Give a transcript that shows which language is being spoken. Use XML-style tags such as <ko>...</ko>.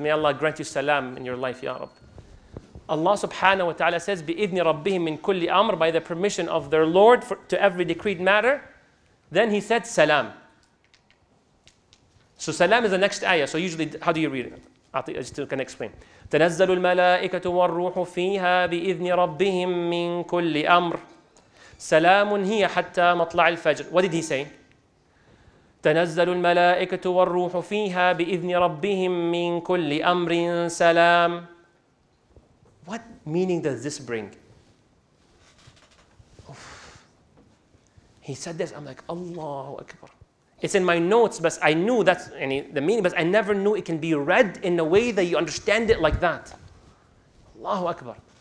<en>May Allah grant you salam in your life, Ya Rab. Allah subhanahu wa ta'ala says,</en> <ar>بِإِذْنِ رَبِّهِمْ مِنْ كُلِّ أَمْرِ</ar> <en>By the permission of their Lord to every decreed matter. Then he said, salam. So salam is the next ayah. So usually, how do you read it? I just can explain.</en> <ar>تَنَزَّلُ الْمَلَائِكَةُ وَالرُّوحُ فِيهَا بِإِذْنِ رَبِّهِمْ مِنْ كُلِّ أَمْرِ سَلَامٌ هِيَ حَتَّى مَطْلَعِ الْفَجْرِ</ar> <en>What did he say?</en> <ar>تنزل الملائكة والروح فيها بإذن ربهم من كل أمر سلام.</ar> <en>What meaning does this bring? Oof. He said this, I'm like, Allahu Akbar. It's in my notes, but I knew that's the meaning, but I never knew it can be read in a way that you understand it like that. Allahu Akbar.</en>